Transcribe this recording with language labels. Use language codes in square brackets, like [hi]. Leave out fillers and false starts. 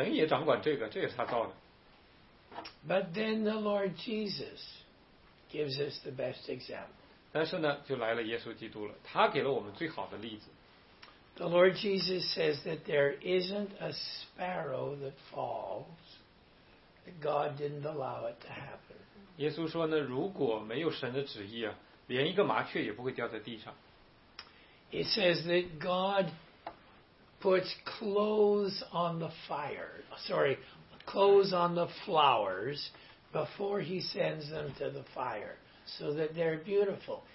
[zh] 你一直往下看，看越来越小的微子粒子，然后哎，你说神也掌管这个，这也是他造的。 [en] But then the Lord Jesus gives us the best example. [zh] 但是呢，就来了耶稣基督了，他给了我们最好的例子。 [en] The Lord Jesus says that there isn't a sparrow that falls that God didn't allow it to happen. [zh] 耶稣说呢，如果没有神的旨意啊，连一个麻雀也不会掉在地上。 [en] It says that God puts clothes on the fire, sorry, clothes on the flowers before he sends them to the fire so that they're beautiful.